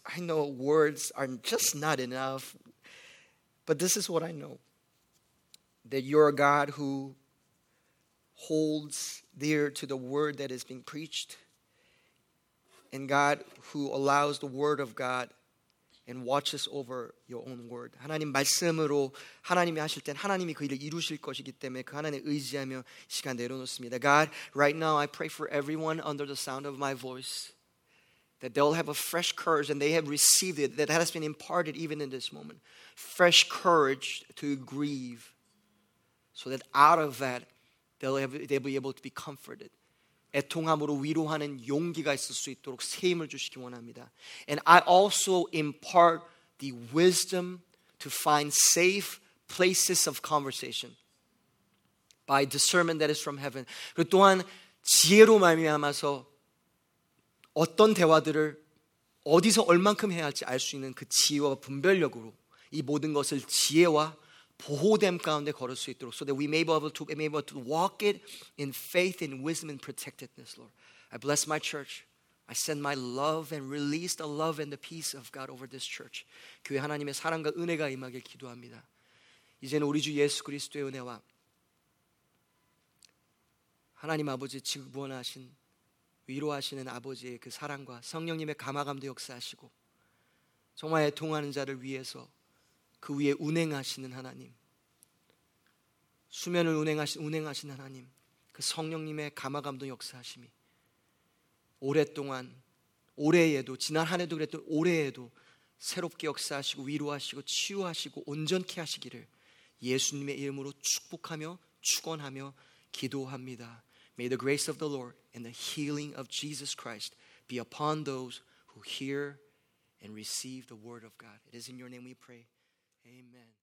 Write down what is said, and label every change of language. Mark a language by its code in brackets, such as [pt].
[en] I know words are just not enough, but this is what I know, that you're a God who holds dear to the word that is being preached, and God who allows the word of God and watches over your own word. [ko] 하나님 말씀으로 하나님이 하실 땐 하나님이 그 일을 이루실 것이기 때문에 그 하나님 의지하며 시간 내려놓습니다. [en] God, right now I pray for everyone under the sound of my voice that they'll have a fresh courage and they have received it, that has been imparted even in this moment. Fresh courage to grieve so that out of that they'll be able to be comforted. [ko] 애통함으로 위로하는 용기가 있을 수 있도록 힘을 주시기 원합니다. [en] And I also impart the wisdom to find safe places of conversation by discernment that is from heaven. [ko] 그리고 또한 지혜로 말미암아서 어떤 대화들을 어디서 얼만큼 해야 할지 알 수 있는 그 지혜와 분별력으로 이 모든 것을 지혜와 보호됨 가운데 걸을 수 있도록 [en] so that we may be able to, walk it in faith and wisdom and protectedness, Lord. I bless my church. I send my love and release the love and the peace of God over this church. [ko] 교회 하나님의 사랑과 은혜가 임하길 기도합니다. 이제는 우리 주 예수 그리스도의 은혜와 하나님 아버지 지구원하신 위로하시는 아버지의 그 사랑과 성령님의 감화감도 역사하시고 정말 애통하는 자를 위해서 그 위에 운행하시는 하나님, 수면을 운행하시는 하나님, 그 성령님의 감화감동 역사하심이 오랫동안, 올해에도, 지난 한 해도 그랬던 올해에도 새롭게 역사하시고 위로하시고 치유하시고 온전케 하시기를 예수님의 이름으로 축복하며 축원하며 기도합니다. [en] May the grace of the Lord and the healing of Jesus Christ be upon those who hear and receive the word of God. It is in your name we pray. Amen.